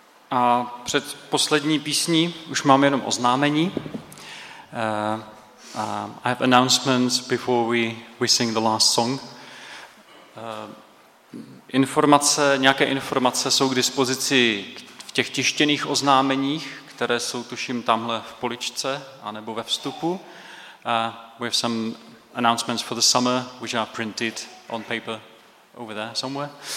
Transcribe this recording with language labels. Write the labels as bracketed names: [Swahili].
[Czech] A před poslední písní už mám jenom oznámení. [English] I have announcements before we sing the last song. [Czech] Informace, nějaké informace jsou k dispozici v těch tištěných oznámeních, které jsou tuším tamhle v poličce anebo ve vstupu. [English] We have some announcements for the summer which are printed on paper over there somewhere.